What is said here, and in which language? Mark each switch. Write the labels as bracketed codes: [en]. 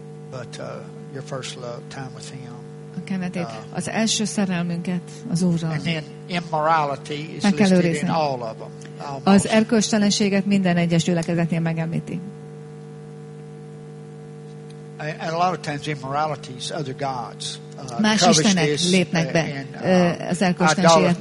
[en] But, your first love, time with him. [hu] A kenetét, az első szerelmünket az Úrral. [en] And then immorality is listed in all of them. [hu] Az erkölcstelenséget minden egyes gyülekezetnél megemlíti. [en] And a lot of times immorality is other gods. [hu] Más istenek lépnek be az erkölcstelenséget.